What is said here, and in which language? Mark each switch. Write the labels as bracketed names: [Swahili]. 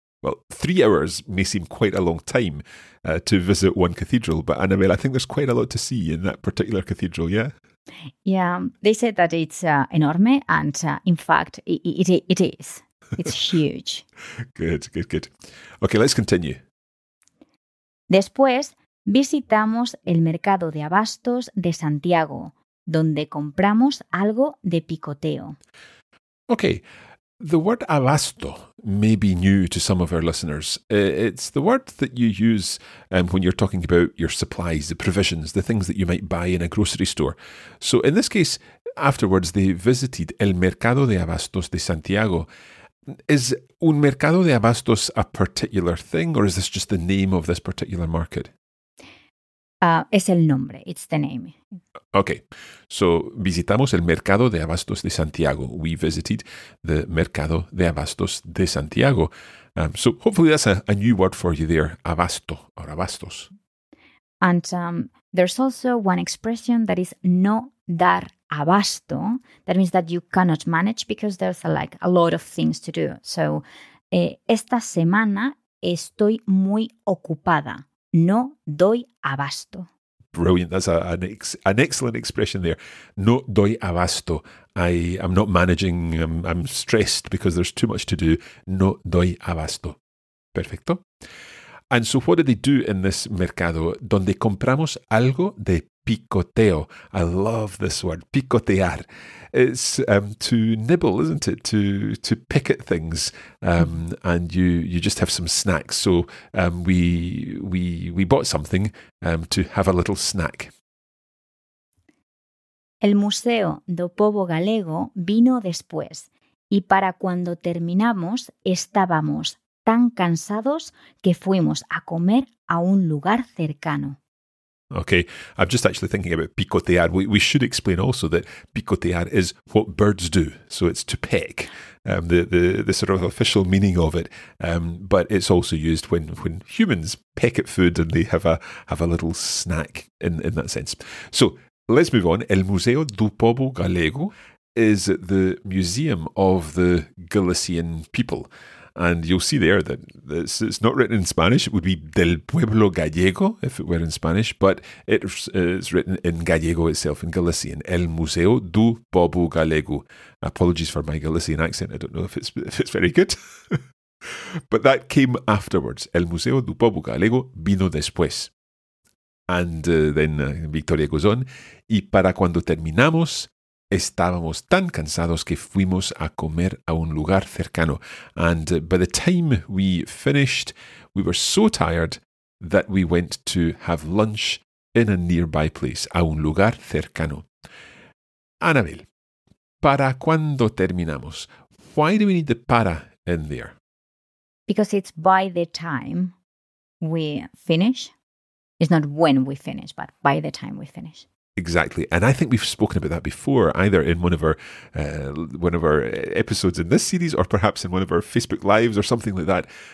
[English] Well, 3 hours may seem quite a long time to visit one cathedral, but Annabel, I think there's quite a lot to see in that particular cathedral, yeah? Yeah, they said that it's enorme, and in fact, it is. It's huge. Good, good, good. Okay, let's continue. [Spanish] Después, visitamos el mercado de abastos de Santiago, donde compramos algo de picoteo. [English] Okay, the word abasto may be new to some of our listeners. It's the word that you use when you're talking about your supplies, the provisions, the things that you might buy in a grocery store. So in this case, afterwards, they visited [Spanish] el mercado de abastos de Santiago. [English] Is un mercado de abastos a particular thing, or is this just the name of this particular market? [Spanish] Es el nombre. [English] It's the name. Okay. [Spanish] So, visitamos el mercado de abastos de Santiago. [English] We visited the mercado de abastos de Santiago. So, hopefully that's a new word for you there, abasto or abastos. And there's also one expression that is no dar abasto. That means that you cannot manage because there's like a lot of things to do. [Spanish] So, esta semana estoy muy ocupada. No doy abasto. [English] Brilliant. That's an excellent expression there. [Spanish] No doy abasto. [English] I'm not managing. I'm stressed because there's too much to do. [Spanish] No doy abasto. Perfecto. [English] And so what do they do in this mercado? [Spanish] Donde compramos algo de picoteo. [English] I love this word, picotear. It's to nibble, isn't it? To pick at things. And you just have some snacks. So we bought something to have a little snack. [Spanish] El Museo do Povo Galego vino después. Y para cuando terminamos, estábamos tan cansados que fuimos a comer a un lugar cercano. [English] Okay, I'm just actually thinking about picotear. We should explain also that picotear is what birds do. So it's to peck, the sort of official meaning of it. But it's also used when humans peck at food and they have a little snack in that sense. So let's move on. El Museo do Povo Galego is the museum of the Galician people. And you'll see there that it's not written in Spanish. It would be [Spanish] del pueblo gallego [English] if it were in Spanish, but it's written in gallego itself, in Galician. El Museo do Povo Galego. Apologies for my Galician accent. I don't know if it's very good. But that came afterwards. [Spanish] El Museo do Povo Galego vino después. [English] And then Victoria goes on. [Spanish] Y para cuando terminamos, estábamos tan cansados que fuimos a comer a un lugar cercano. [English] And by the time we finished, we were so tired that we went to have lunch in a nearby place, [Spanish] a un lugar cercano. Anabel, ¿para cuándo terminamos? [English] Why do we need the para in there? Because it's by the time we finish. It's not when we finish, but by the time we finish. Exactly. And I think we've spoken about that before, either in one of our episodes in this series or perhaps in one of our Facebook Lives or something like that.